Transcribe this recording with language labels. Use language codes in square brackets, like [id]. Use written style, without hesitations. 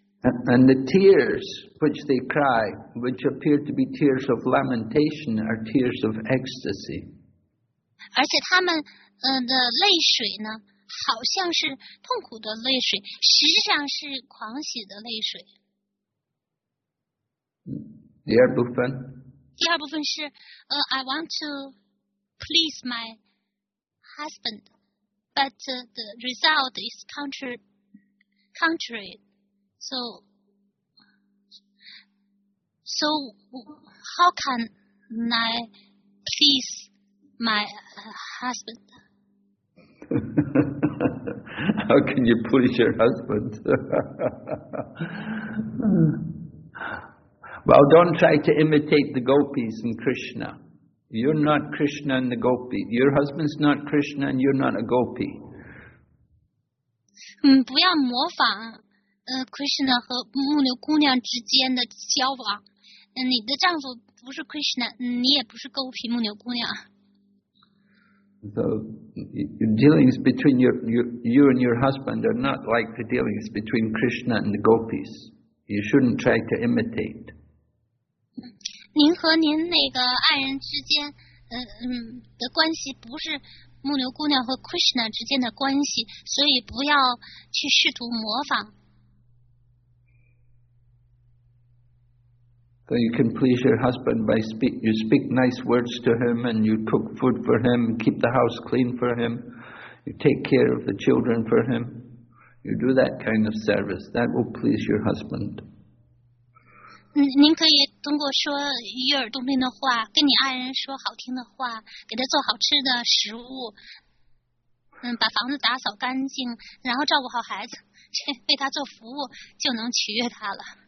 [en] And the tears which they cry, which appear to be tears of lamentation, are tears of ecstasy. [zh] 而且他们的泪水呢，好像是痛苦的泪水，实际上是狂喜的泪水。第二部分。第二部分是 [en] I want to please my husband, but the result is contrary. So how can I please my husband? How can you please your husband? Well, don't try to imitate the gopis and Krishna. You're not Krishna and the gopi. Your husband's not Krishna and you're not a gopi. [zh] 不要模仿。Krishna 和牧牛姑娘之间的交往，你的丈夫不是 Krishna， 你也不是gopi牧牛姑娘。 [en] So your dealings between you and your husband are not like the dealings between Krishna and the gopis. You shouldn't try to imitate. [zh] 您和您那个爱人之间，的关系不是牧牛姑娘和 Krishna 之间的关系，所以不要去试图模仿。 [en] So you can please your husband by speak nice words to him and you cook food for him, keep the house clean for him, you take care of the children for him. You do that kind of service. That will please your husband. [zh] 您可以通过说悦耳动听的话，跟你爱人说好听的话，给他做好吃的食物，把房子打扫干净，然后照顾好孩子，为他做服务，就能取悦他了。